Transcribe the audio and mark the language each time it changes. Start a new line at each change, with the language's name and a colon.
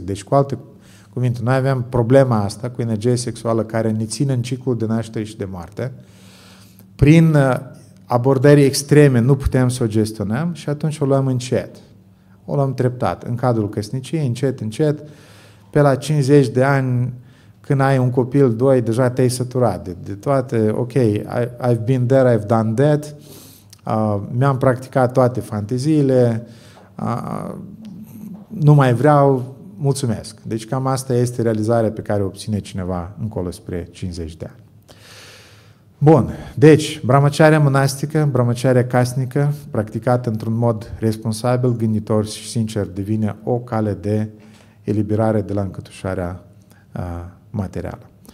Romanian: Deci, cu alte cuvinte, noi avem problema asta cu energia sexuală care ne ține în ciclul de naștere și de moarte. Prin abordări extreme nu putem să o gestionăm și atunci o luăm încet. O luăm treptat. În cadrul căsniciei, încet, încet, pe la 50 de ani, când ai un copil, doi, deja te-ai săturat de toate.
English: Ok, I've been there, I've done that.
Romanian: Mi-am practicat toate fanteziile, nu mai vreau, mulțumesc. Deci cam asta este realizarea pe care o obține cineva încolo spre 50 de ani. Bun, deci, brahmacharya monastică, brahmacharya casnică, practicată într-un mod responsabil, gânditor și sincer, devine o cale de eliberare de la încătușarea materială.